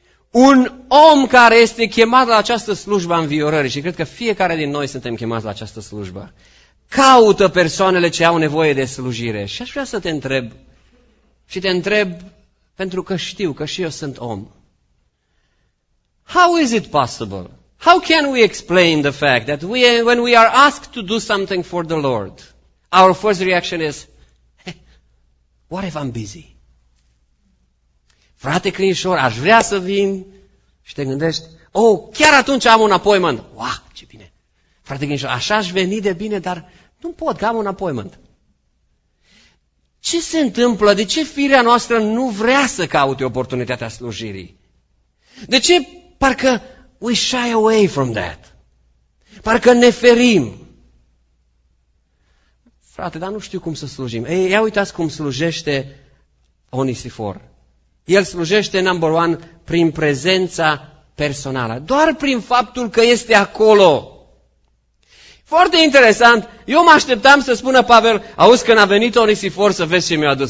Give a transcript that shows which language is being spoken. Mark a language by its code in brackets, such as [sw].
[ro] Un om care este chemat la această slujbă a înviorării, și cred că fiecare din noi suntem chemați la această slujbă, caută persoanele ce au nevoie de slujire. Și aș vrea să te întreb, și te întreb pentru că știu că și eu sunt om. [en] How is it possible? How can we explain the fact that when we are asked to do something for the Lord, our first reaction is, what if I'm busy? [ro] Frate Crinșor, aș vrea să vin și te gândești, oh, chiar atunci am un appointment. Wow, ce bine! Frate Crinșor, așa aș veni de bine, dar nu pot, că am un appointment. Ce se întâmplă? De ce firea noastră nu vrea să caute oportunitatea slujirii? De ce parcă [en] we shy away from that? [ro] Parcă ne ferim. Frate, dar nu știu cum să slujim. Ei, ia uitați cum slujește Onisifor. El slujește, [en] number one, [ro] prin prezența personală. Doar prin faptul că este acolo. Foarte interesant, eu mă așteptam să spună Pavel, auzi, când a venit Onisifor, să vezi ce mi-a adus.